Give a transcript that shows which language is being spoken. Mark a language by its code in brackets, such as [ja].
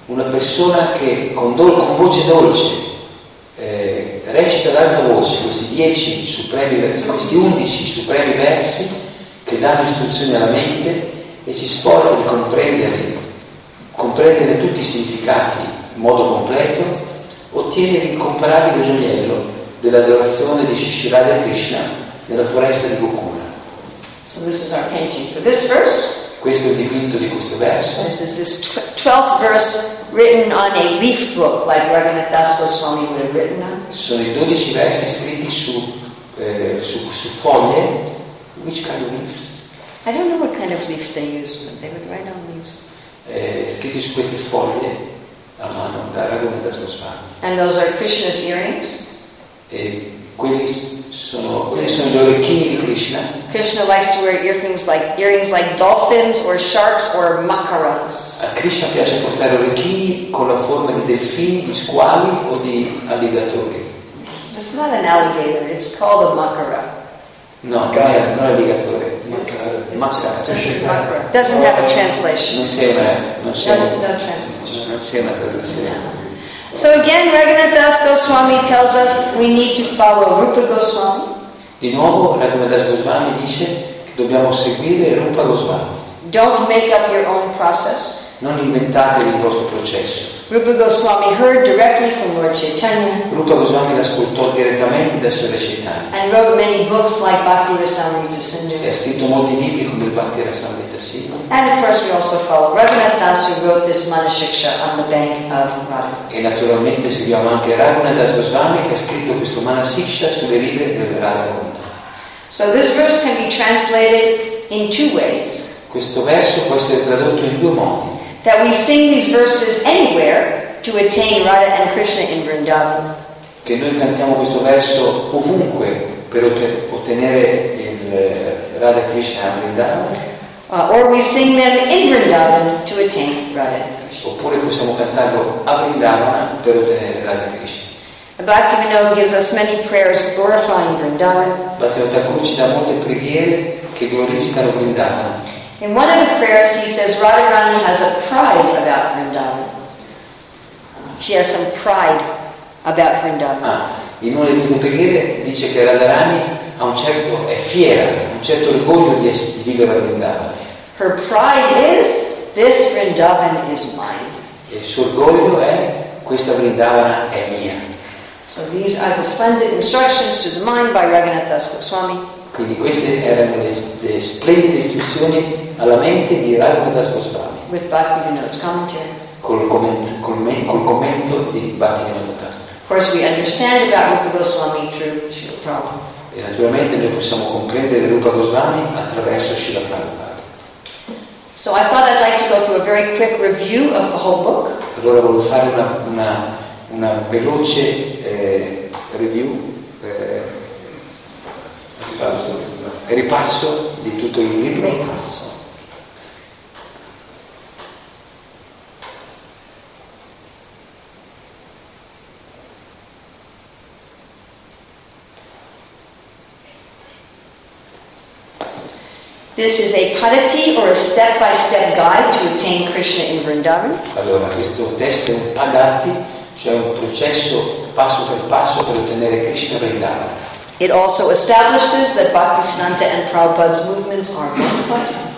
[it] persona che con voce dolce recita ad alta voce questi 10 supremi versi, questi 11 supremi versi che danno istruzioni alla mente e si sforza di comprendere tutti i significati in modo completo, ottiene l'incomparabile gioiello dell'adorazione di Shri Radha Krishna nella foresta di Gokula. [en] So this is our painting for this verse. [it] Questo è il dipinto di questo verso. [en] This is this 12th verse written on a leaf book like Raghunath Das Goswami would have written on. [it] Sono i 12 versi scritti su foglie. [en] Which kind of leaf? I don't know what kind of leaf they use, but they would write on leaves. [it] Scritti su queste foglie a mano da Raghunath Das Goswami. [en] And those are Krishna's earrings. [it] Quelli sono gli orecchini di Krishna. [en] Krishna likes to wear earrings like dolphins or sharks or makaras. [it] A Krishna piace portare orecchini con la forma di delfini, di squali o di alligatori. [en] It's not an alligator, it's called a makara. [it] No, non è alligatore. [en] Makara. Doesn't have a translation. [it] Non c'è una traduzione. [en] So again, Raghunath Das Goswami tells us we need to follow Rupa Goswami. [it] Di nuovo, Raghunath Das Goswami dice che dobbiamo seguire Rupa Goswami. [en] Don't make up your own process. [it] Non inventate il vostro processo. [en] Rupa Goswami heard directly from Lord Chaitanya. [it] Rupa Goswami l'ascoltò direttamente da Sri Chaitanya. [en] And wrote many books like Bhakti Rasamrita Sindhu. [it] E ha scritto molti libri come il Bhakti Rasamrita Sindhu. [en] And of course we also follow Raghunath Das who wrote this Manashiksha on the bank of Radha. [it] E naturalmente seguiamo anche Raghunath Das Goswami che ha scritto questo Manashiksha sulle rive del Radha. [en] So this verse can be translated in two ways. [it] Questo verso può essere tradotto in due modi. [en] That we sing these verses anywhere to attain Radha and Krishna in Vrindavan. [it] Che noi cantiamo questo verso ovunque per ottenere il Radha Krishna in Vrindavan. [en] Or we sing them in Vrindavan to attain Radha and Krishna. [it] Oppure possiamo cantarlo a Vrindavan per ottenere Radha Krishna. [en] Bhaktivinoda gives us many prayers glorifying Vrindavan. [it] Bhaktivinoda Thakur ci dà molte preghiere che glorificano Vrindavan. [en] In one of the prayers he says Radharani has a pride about Vrindavan. She has some pride about Vrindavan. [it] In una di queste preghiere dice che Radharani ha un certo, è fiera, un certo orgoglio di vivere a Vrindavan. [en] Her pride is this Vrindavan is mine. [it] E il suo orgoglio è questa Vrindavan è mia. [en] So these are the splendid instructions to the mind by Raghunath Das Goswami. [it] Quindi queste erano le splendide istruzioni alla mente di Raghunath Das Goswami. [en] With Bhaktivinoda's commentary. [it] Col commento di Bhaktivinoda Thakur. [en] Of course we understand about Rupa Goswami through Srila Prabhupada. [it] E naturalmente noi possiamo comprendere Rupa Goswami attraverso Srila Prabhupada. [en] So I thought I'd like to go through a very quick review of the whole book. [it] Allora volevo fare una veloce review. Ripasso di tutto il libro. [en] This is a padati or a step-by-step guide to attain Krishna in Vrindavan. [it] Allora, questo testo è un padati, cioè un processo passo per passo per ottenere Krishna Vrindavan. [en] It also establishes that Bhaktisiddhanta and Prabhupada's movements are unified.